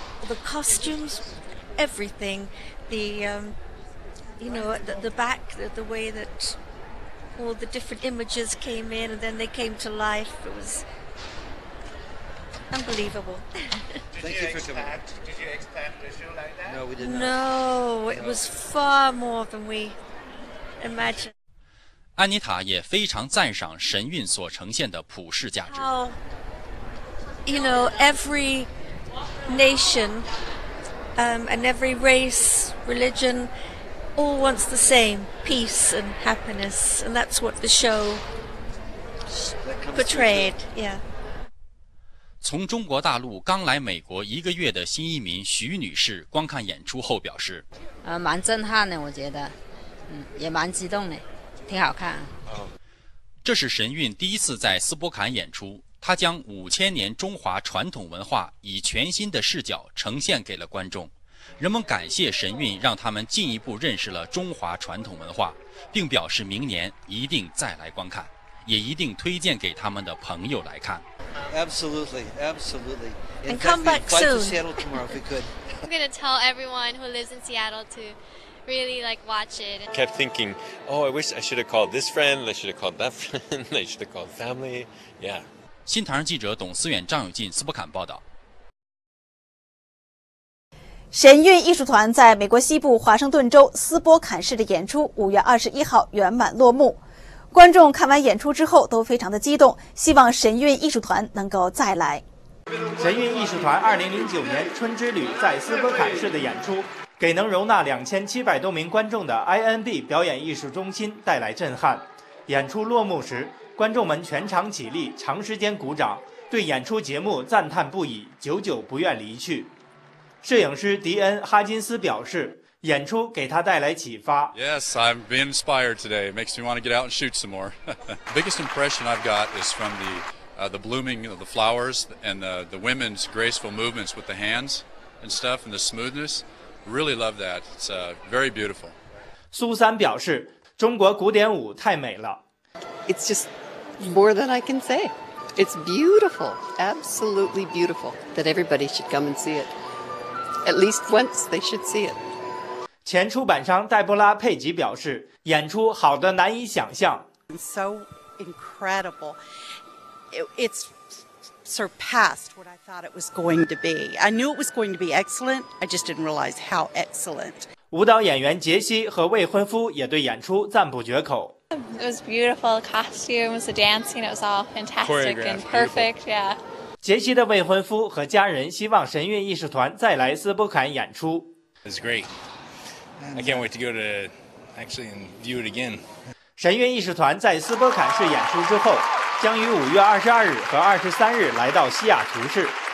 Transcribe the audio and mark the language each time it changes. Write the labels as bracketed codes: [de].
[en] The costumes, everything, the, you know, the back, the way that all the different images came in and then they came to life, it was unbelievable. Thank you for coming. Did you expect the show like that? No, we did not. No, it was far more than we imagined. [zh] 安妮塔也非常赞赏神韵所呈现的普世价值。 [en] How, you know, every nation, and every race, religion, all wants the same peace and happiness, and that's what the show portrayed. Yeah. [zh] 从中国大陆刚来美国一个月的新移民徐女士观看演出后表示，蛮震撼的，我觉得，也蛮激动的，挺好看。这是神韵第一次在斯波坎演出，她将5000年中华传统文化以全新的视角呈现给了观众。人们感谢神韵让他们进一步认识了中华传统文化，并表示明年一定再来观看，也一定推荐给他们的朋友来看。 [en] Absolutely, absolutely. And come back soon. We'd fly to Seattle tomorrow if we could. I'm going to tell everyone who lives in Seattle to really like watch it. I kept thinking, oh, I wish I should have called this friend, I should have called that friend, I should have called family. Yeah. [zh] 新唐人记者董思远、张友进斯波坎报道。神韵艺术团在美国西部华盛顿州斯波坎市的演出5月21号圆满落幕。观众看完演出之后都非常的激动，希望神韵艺术团能够再来。神韵艺术团2009年春之旅在斯波坎市的演出给能容纳2700多名观众的 IMB 表演艺术中心带来震撼。演出落幕时，观众们全场起立，长时间鼓掌，对演出节目赞叹不已，久久不愿离去。摄影师迪恩·哈金斯表示，演出给他带来启发。 [en] Yes, I'm being inspired today. It makes me want to get out and shoot some more. The biggest impression I've got is from the blooming of the flowers and the women's graceful movements with the hands and stuff and the smoothness. Really love that. It's very beautiful. [zh] 苏三表示，中国古典舞太美了。 [en] It's just more than I can say. It's beautiful, absolutely beautiful, that everybody should come and see it. At least once they should see it. [zh] 前出版商黛波拉·佩吉表示，演出好得难以想象。 [en] So incredible. It's surpassed what I thought it was going to be. I knew it was going to be excellent. I just didn't realize how excellent. [zh] 舞蹈演员杰西和未婚夫也对演出赞不绝口。 [en] It was beautiful. The costumes, the dancing, it was all fantastic and perfect. Yeah. [zh] 杰西的未婚夫和家人希望神韵艺术团再来斯波坎演出。 [en] It's great. I can't wait to go to actually and view it again. [zh] 神韵艺术团在斯波坎市演出之后，将于5月22日和23日来到西雅图市。